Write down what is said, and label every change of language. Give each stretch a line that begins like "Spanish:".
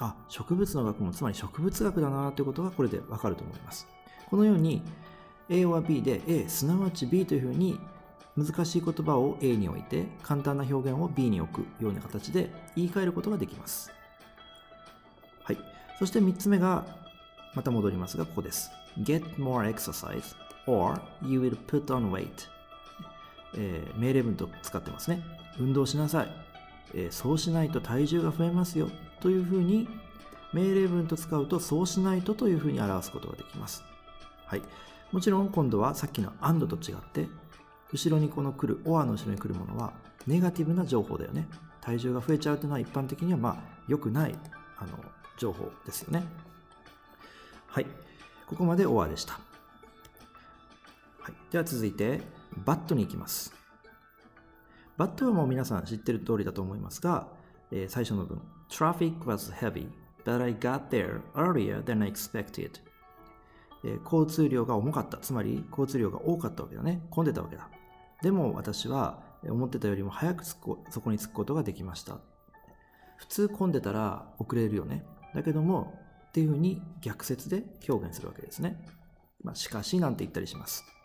Japanese: 植物の学問、つまり植物学だなということがこれでわかると思います。このように A は B で A、すなわち B というふうに、難しい言葉を A に置いて、簡単な表現を B に置くような形で言い換えることができます。そして3つ目が、また戻りますが、ここです。
English: Get more exercise or you will put on weight。
Japanese: 命令文と使ってますね。運動しなさい、そうしないと体重が増えますよというふうに、命令文と使うと、そうしないとというふうに表すことができます。もちろん今度はさっきの and と違って、後ろにこの来る or の後ろに来るものはネガティブな情報だよね。体重が増えちゃうというのは一般的には良くない情報ですよね。ここまで or でした。では続いて but に行きます。バットはもう皆さん知ってる通りだと思いますが、最初の文。
English: Traffic was heavy, but I got there earlier than I expected。
Japanese: 交通量が重かった。つまり、交通量が多かったわけだね。混んでたわけだ。でも私は思ってたよりも早くそこに着くことができました。普通混んでたら遅れるよね、だけどもっていうふうに逆説で表現するわけですね、まあ、しかしなんて言ったりします。